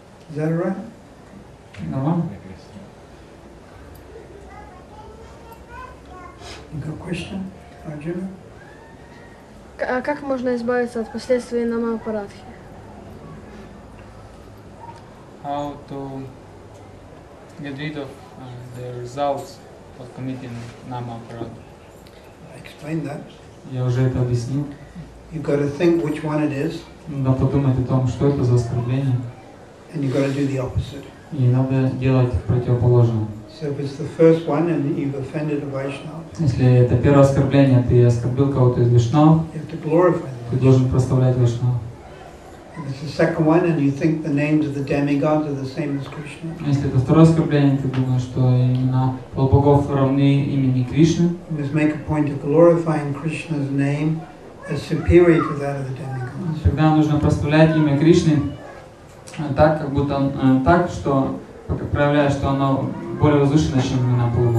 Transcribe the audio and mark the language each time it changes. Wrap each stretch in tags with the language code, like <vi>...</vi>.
<en>Is that all right? No. You got a question, Arjuna?</en> <ru>А как можно избавиться от последствий намапарадхи?</ru> <en>How to get rid of the results of committing namapradhi? I explained that.</en> <ru>Я уже это объяснил.</ru> <en>You got to think which one it is.</en> <ru>Надо подумать о том, что это за оскорбление.</ru> <en>And you got to do the opposite.</en> <ru>И надо делать противоположное.</ru> <en>So if it's the first one and you've offended a Vaishnava.</en> <ru>Если это первое оскорбление, ты оскорбил кого-то из Вишнав.</ru> <en>You have to glorify them.</en> <ru>Ты должен прославлять Вишнав.</ru> <en>If it's the second one and you think the names of the demigods are the same as Krishna.</en> <ru>Если это второе оскорбление, ты думаешь, что имена полубогов равны имени Кришны.</ru> <en>You must make a point of glorifying Krishna's name as superior to that of the demigods.</en> <ru>Тогда нужно прославлять имя Кришны. Так, как будто так, что проявляет, что оно более возвышенное, чем имена</ru>